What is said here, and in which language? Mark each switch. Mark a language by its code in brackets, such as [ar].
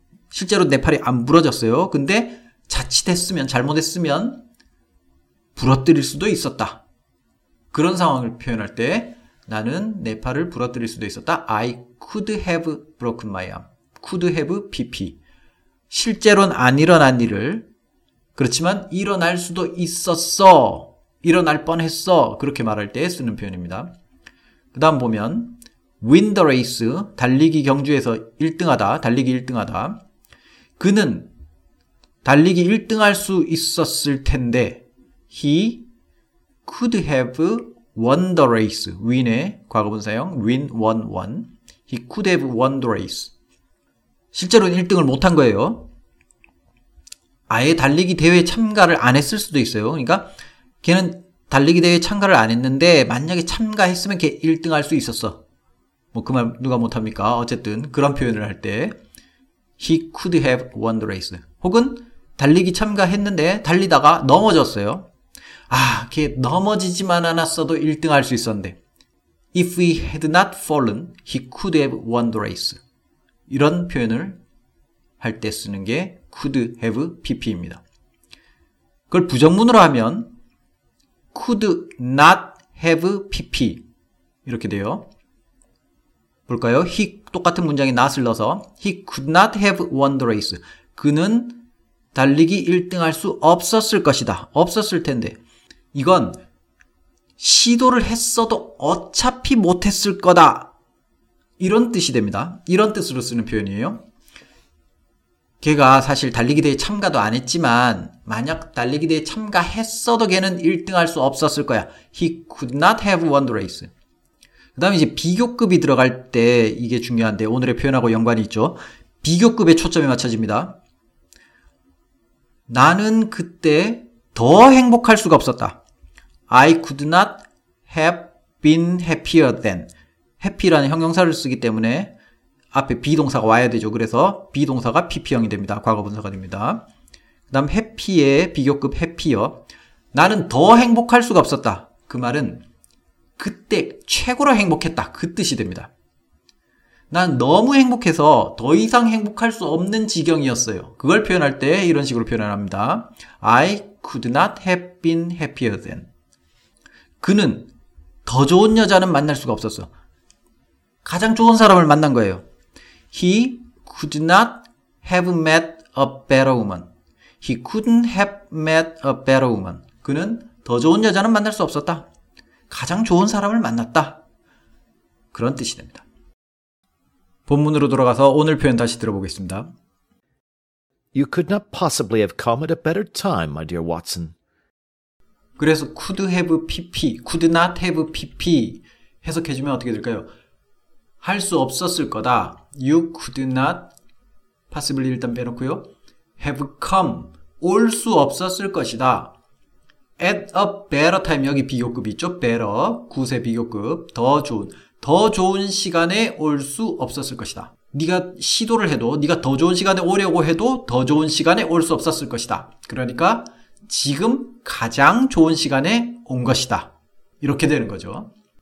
[ko] 실제로 내 팔이 안 부러졌어요. 근데 자칫했으면, 잘못했으면 부러뜨릴 수도 있었다. 그런 상황을 표현할 때 나는 내 팔을 부러뜨릴 수도 있었다. [en] I could have broken my arm. could have pp. [ko] 실제로는 안 일어난 일을, 그렇지만 일어날 수도 있었어. 일어날 뻔했어. 그렇게 말할 때 쓰는 표현입니다. 그 다음 보면 [en] win the race, [ko] 달리기 경주에서 1등하다, 달리기 1등하다. 그는 달리기 1등 할 수 있었을 텐데 [en] he could have won the race. win의 과거분사형 win, won, won. he could have won the race. [ko] 실제로는 1등을 못한 거예요. 아예 달리기 대회에 참가를 안 했을 수도 있어요. 그러니까 걔는 달리기 대회에 참가를 안 했는데 만약에 참가했으면 걔 1등 할 수 있었어. 뭐 그 말 누가 못합니까? 어쨌든 그런 표현을 할 때 [en] He could have won the race. [ko] 혹은 달리기 참가했는데 달리다가 넘어졌어요. 아, 걔 넘어지지만 않았어도 1등 할 수 있었는데 [en] If he had not fallen, he could have won the race. [ko] 이런 표현을 할 때 쓰는 게 could have pp입니다. 그걸 부정문으로 하면 could not have pp 이렇게 돼요. 볼까요? [en] He [ko] 똑같은 문장에 [en] not을 넣어서 he could not have won the race. [ko] 그는 달리기 1등 할 수 없었을 것이다. 없었을 텐데. 이건 시도를 했어도 어차피 못했을 거다. 이런 뜻이 됩니다. 이런 뜻으로 쓰는 표현이에요. 걔가 사실 달리기 대회 참가도 안 했지만 만약 달리기 대회 참가했어도 걔는 1등 할 수 없었을 거야. [en] He could not have won the race. [ko] 그 다음에 이제 비교급이 들어갈 때 이게 중요한데 오늘의 표현하고 연관이 있죠. 비교급에 초점이 맞춰집니다. 나는 그때 더 행복할 수가 없었다. [en] I could not have been happier than. [ko] happy라는 형용사를 쓰기 때문에 앞에 비동사가 와야 되죠. 그래서 비동사가 pp형이 됩니다. 과거분사가 됩니다. 그 다음 happy의 비교급 happier. 나는 더 행복할 수가 없었다. 그 말은 그때 최고로 행복했다. 그 뜻이 됩니다. 난 너무 행복해서 더 이상 행복할 수 없는 지경이었어요. 그걸 표현할 때 이런 식으로 표현을 합니다. [en] I could not have been happier than. [ko] 그는 더 좋은 여자는 만날 수가 없었어. 가장 좋은 사람을 만난 거예요. [en] He could not have met a better woman. He couldn't have met a better woman. [ko] 그는 더 좋은 여자는 만날 수 없었다. 가장 좋은 사람을 만났다. 그런 뜻이 됩니다. 본문으로 돌아가서 오늘 표현 다시 들어보겠습니다. [en] You could not possibly have come at a better time, my dear Watson. [ko] 그래서 could have PP, could not have PP 해석해주면 어떻게 될까요? 할 수 없었을 거다. [en] You could not possibly [ko] 일단 빼놓고요. [en] Have come, [ko] 올 수 없었을 것이다. [en] At a better time, [ko] 여기 비교급 있죠? Better, 구세 비교급, 더 좋은 시간에 올 수 없었을 것이다. 네가 시도를 해도, 네가 더 좋은 시간에 오려고 해도 더 좋은 시간에 올 수 없었을 것이다. 그러니까 지금 가장 좋은 시간에 온 것이다. 이렇게 되는 거죠.